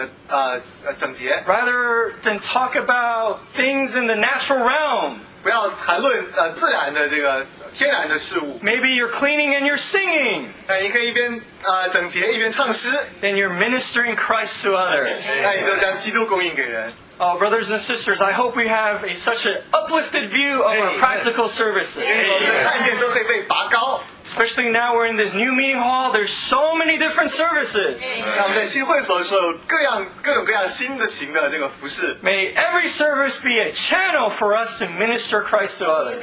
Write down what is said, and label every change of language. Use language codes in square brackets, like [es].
[en] Rather than talk about things in the natural realm. [zh] 不要谈论自然的这个天然的事物。 [en] Maybe you're cleaning and you're singing. [zh] 那你可以一边整洁一边唱诗。 [en] Then you're ministering Christ to others. [zh] 那你就将基督供应给人。 [en] Brothers and sisters, I hope we have such an uplifted view of our practical services. [zh] 看见都可以被拔高。 [en] Especially now we're in this new meeting hall, there's so many different services. May every service be a channel for us to minister Christ to others.